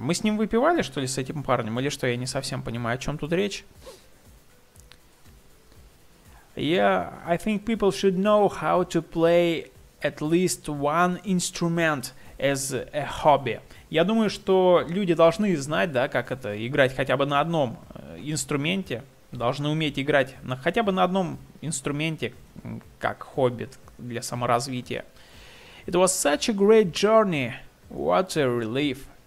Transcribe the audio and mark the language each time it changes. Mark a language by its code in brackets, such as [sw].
[ru] Мы с ним выпивали, что ли, с этим парнем? Или что, я не совсем понимаю, о чем тут речь? [en] Yeah, I think people should know how to play at least one instrument as a hobby. [ru] Я думаю, что люди должны знать, да, как это, играть хотя бы на одном инструменте. Должны уметь играть на, хотя бы на одном инструменте, как хобби для саморазвития. [en] It was such a great journey. What a relief.